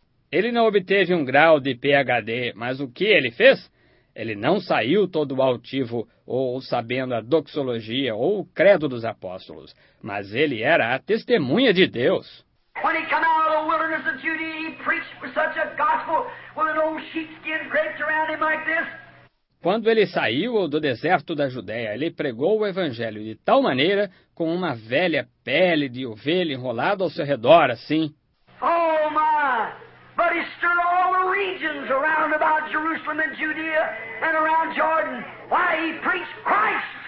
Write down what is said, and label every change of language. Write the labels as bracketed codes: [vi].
[pt] Ele não obteve um grau de PhD, mas o que ele fez? Ele não saiu todo altivo ou sabendo a doxologia ou o credo dos apóstolos, mas ele era a testemunha de Deus. [en] When he came out of the wilderness of Judea, he preached with such a gospel with an old sheepskin draped around him like this. [pt] Quando ele saiu do deserto da Judéia, ele pregou o evangelho de tal maneira com uma velha pele de ovelha enrolada ao seu redor, assim. [en] Oh, my! But he stirred all the regions around about Jerusalem and Judea and around Jordan. Why, he preached Christ!